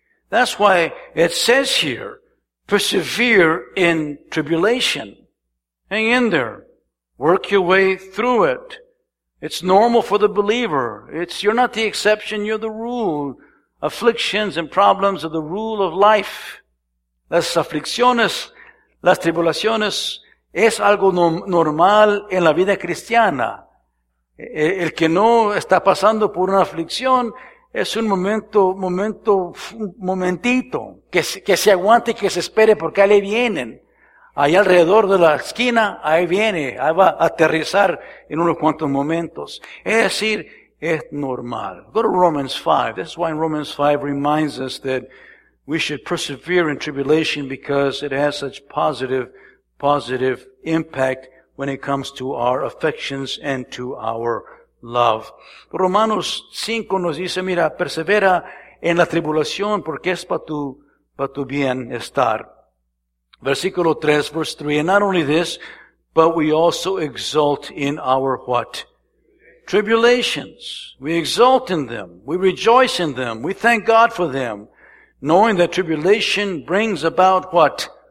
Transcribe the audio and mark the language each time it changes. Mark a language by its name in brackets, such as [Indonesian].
[English] That's why it says here, persevere in tribulation. Hang in there. Work your way through it. It's normal for the believer. You're not the exception, you're the rule. Afflictions and problems are the rule of life. [Spanish] Las aflicciones, las tribulaciones, es algo normal en la vida cristiana. El que no está pasando por una aflicción es un momentito, que se aguante y que se espere porque ahí vienen. Ahí alrededor de la esquina, ahí viene, ahí va a aterrizar en unos cuantos momentos. Es decir, es normal. [English] Go to Romans 5. This is why Romans 5 reminds us that we should persevere in tribulation because it has such positive impact when it comes to our affections and to our love. [Spanish] Romanos 5 nos dice, mira, persevera en la tribulación porque es para tu bienestar. Versículo 3, [English] verse 3, and not only this, but we also exult in our what? Tribulations. We exult in them. We rejoice in them. We thank God for them, knowing that tribulation brings about what?